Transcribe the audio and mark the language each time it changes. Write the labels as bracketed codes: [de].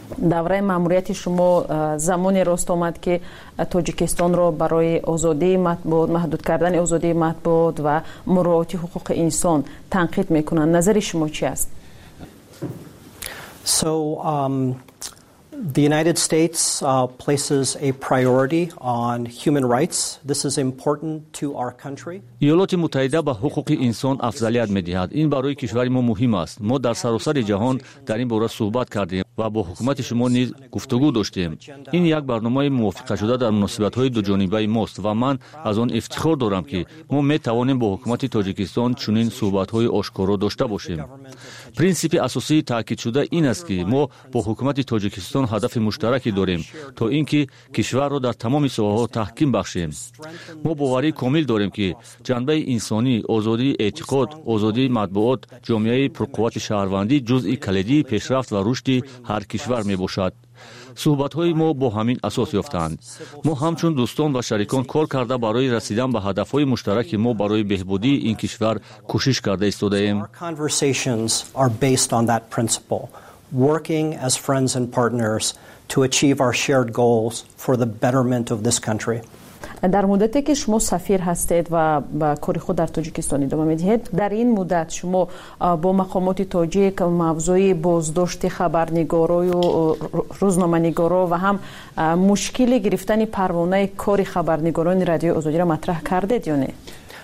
[fa] دوره ماموریت شما زمانی راست آمد که تاجیکستان را برای آزادی مطبوعات، محدود کردن آزادی مطبوعات و مراعات حقوق انسان تنقید میکنند. نظر شما چی است؟ [en] So The United States places a priority on human rights. This is important to our country. [tg] Иёлоти Муттаҳида ба ҳуқуқи инсон афзалият медиҳад. Ин барои кишвари мо муҳим аст. Мо дар саросари ҷаҳон дар ин бора суҳбат кардем ва бо ҳукумати шумо низ гуфтугӯ доштем. Ин як барномаи мувофиқатшуда дар муносибатҳои дуҷонибаи мост ва ман аз он ифтихор дорам ки мо метавонем бо ҳукумати Тоҷикистон чунин суҳбатҳои ошкоро дошта бошем. Принципи асосии таъкидшуда ин аст ки мо бо ҳукумати Тоҷикистон [fa] هدف مشترکی داریم تا اینکه کشور را در تمام ساحه‌ها تحکیم بخشیم. ما باوری کامل داریم که جنبه انسانی، آزادی اعتقاد، آزادی مطبوعات، جامعه پرقوت شهروندی جزء کلیدی پیشرفت و رشد هر کشور می باشد. صحبت‌های ما با همین اساس یافتند. ما همچون دوستان و شریکان کار کرده برای رسیدن به هدف‌های مشترک ما برای بهبودی این کشور کوشش کرده ایستاده‌ایم. [en] Working as friends and partners to achieve our shared goals for the betterment of this country. [fa] در مدتی که شما سفیر هستید و با کاری خود در تاجیکستان ادامه میدهید، در این مدت شما با مقامات تاجیک موضوع بازداشت خبرنگارای و روزنامه‌نگارا و هم مشکل گرفتن پروانه کاری خبرنگاران رادیو آزادی را مطرح کردید یا نه؟